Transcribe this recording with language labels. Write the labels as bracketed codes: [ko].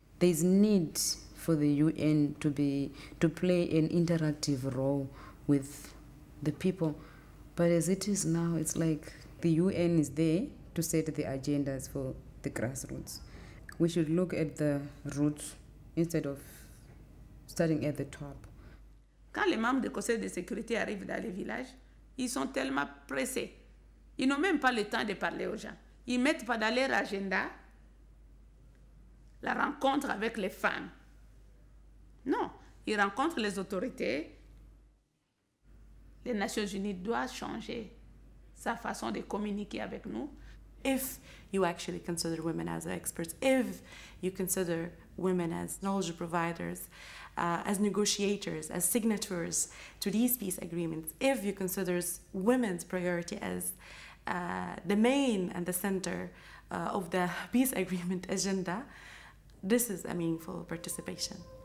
[en] There's need for the UN to play an interactive role with the people. But as it is now, it's like the UN is there to set the agendas for the grassroots. We should look at the roots instead of starting at the top. [fr] Quand les membres du Conseil de sécurité arrivent dans les villages, ils sont tellement pressés. Ils n'ont même pas le temps de parler aux gens. Ils mettent pas dans leur agenda la rencontre avec les femmes. Non, ils rencontrent les autorités. Les Nations Unies doivent changer sa façon de communiquer avec nous. [en] If you actually consider women as experts, if you consider women as knowledge providers, as negotiators, as signatories to these peace agreements, if you consider women's priority as the main and the center of the peace agreement agenda, this is a meaningful participation.